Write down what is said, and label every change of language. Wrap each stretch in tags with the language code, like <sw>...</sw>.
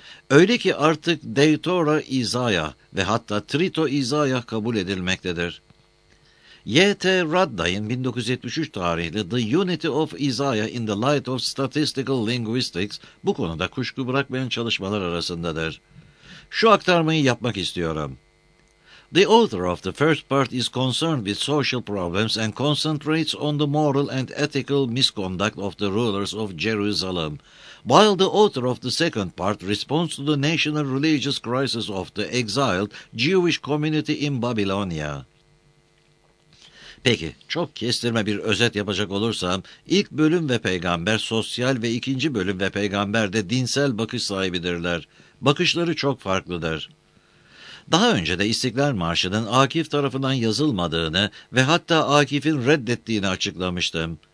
<tr>Öyle ki artık Deutero İzayah ve hatta Trito İzayah kabul edilmektedir. Y.T. Raddai'nin 1973 tarihli</tr> <en>The Unity of Isaiah in the Light of Statistical Linguistics</en> <tr>bu konuda kuşku bırakmayan çalışmalar arasındadır. Şu aktarmayı yapmak istiyorum.</tr> <en>The author of the first part is concerned with social problems and concentrates on the moral and ethical misconduct of the rulers of Jerusalem, while the author of the second part responds to the national religious crisis of the exiled Jewish community in Babylonia.</en> <tr>Peki, çok kestirme bir özet yapacak olursam, ilk bölüm ve peygamber sosyal ve ikinci bölüm ve peygamber de dinsel bakış sahibidirler. Bakışları çok farklıdır. Daha önce de İstiklal Marşı'nın Akif tarafından yazılmadığını ve hatta Akif'in reddettiğini açıklamıştım.</tr>